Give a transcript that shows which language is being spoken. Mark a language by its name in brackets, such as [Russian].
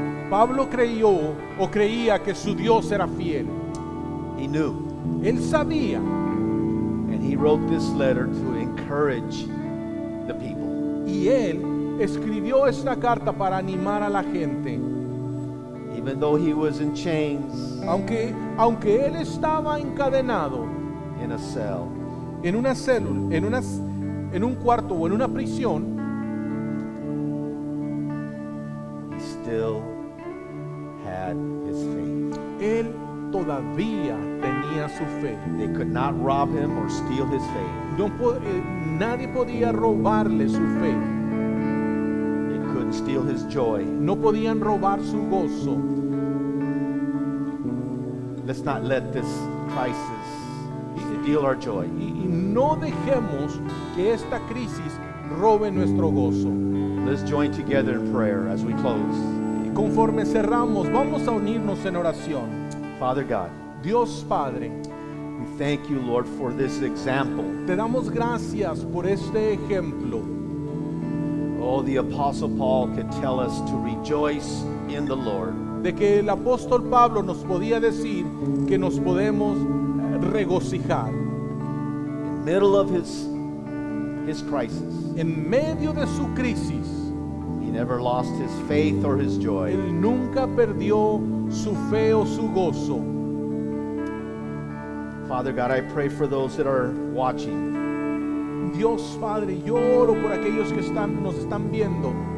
[Spanish] Pablo creyó o creía que su Dios era fiel. [English] He knew. [Spanish] Él sabía. [English] And he wrote this letter to encourage the people. [Spanish] Y él escribió esta carta para animar a la gente. [English] Even though he was in chains. [Spanish] Aunque él estaba encadenado. [English] In a cell. [Spanish] En una célula, en un cuarto o en una prisión. [English] He still had his faith. [Spanish] Él todavía tenía su fe. [English] They could not rob him or steal his faith. [Spanish] Nadie podía robarle su fe. [English] They couldn't steal his joy. [Spanish] No podían robar su gozo. [English] Let's not let this crisis steal our joy. [Spanish] Y no dejemos que esta crisis robe nuestro gozo. [English] Let's join together in prayer as we close. [Spanish] Conforme cerramos, vamos a unirnos en oración. [English] Father God, [Spanish] Dios Padre, [English] we thank you, Lord, for this example. [Spanish] Te damos gracias por este ejemplo. [English] Oh, the Apostle Paul could tell us to rejoice in the Lord. [Spanish] De que el apóstol Pablo nos podía decir que nos podemos regocijar. [English] In the middle of his crisis. [Spanish] En medio de su crisis. [English] He never lost his faith or his joy. [Spanish] Él nunca perdió su fe o su gozo. [English] Father God, I pray for those that are watching. [Spanish] Dios Padre, yo oro por aquellos que están, nos están viendo.